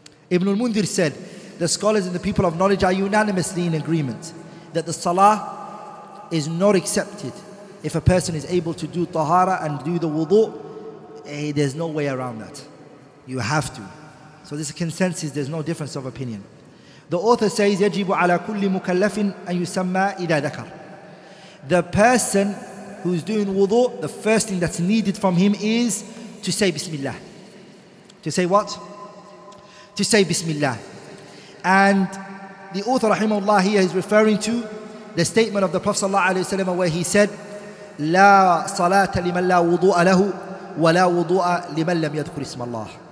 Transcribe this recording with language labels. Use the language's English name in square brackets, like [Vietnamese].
[English] Ibn al-Mundhir said, the scholars and the people of knowledge are unanimously in agreement that the salah is not accepted if a person is able to do tahara and do the wudu. There's no way around that. You have to. So this consensus, there's no difference of opinion. The author says, [Arabic] يَجِبُ عَلَى كُلِّ مُكَلَّفٍ أَن يُسَمَّى إِذَا ذَكَرٍ. [English] The person who's doing wudu, the first thing that's needed from him is to say Bismillah. To say what? To say Bismillah. And the author, rahimahullah, here is referring to the statement of the Prophet sallallahu alayhi wa sallam, where he said, [Arabic] لا صلاة لمن لا وضوء له ولا وضوء لمن لم يذكر اسم الله.